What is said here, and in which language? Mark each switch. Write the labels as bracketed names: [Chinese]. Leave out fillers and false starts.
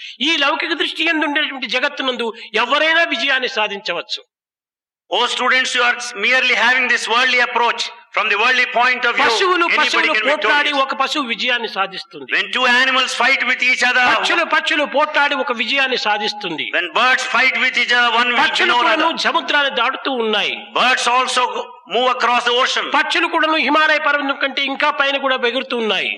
[Telugu] ఈ లౌకిక దృష్టి యందు ఉండేటువంటి జగత్తు నందు ఎవరైనా విజయాన్ని సాధించవచ్చు. [English] O students, you are merely having this worldly approach. From the worldly point of view, [Telugu] పశువులు పోట్లాడి ఒక పశువు విజయాన్ని సాధిస్తుంది. [English] When two animals fight with each other, [Telugu] పక్షులు పోట్లాడి ఒక విజయాన్ని సాధిస్తుంది. [English] When birds fight with each other, one will win another. [Telugu] పక్షులు సముద్రాన్ని దాటుతూ ఉన్నాయి. [English] Birds also move across the ocean. [Telugu] పక్షులు కూడా హిమాలయ పర్వతం కంటే ఇంకా పైన కూడా ఎగురుతున్నాయి.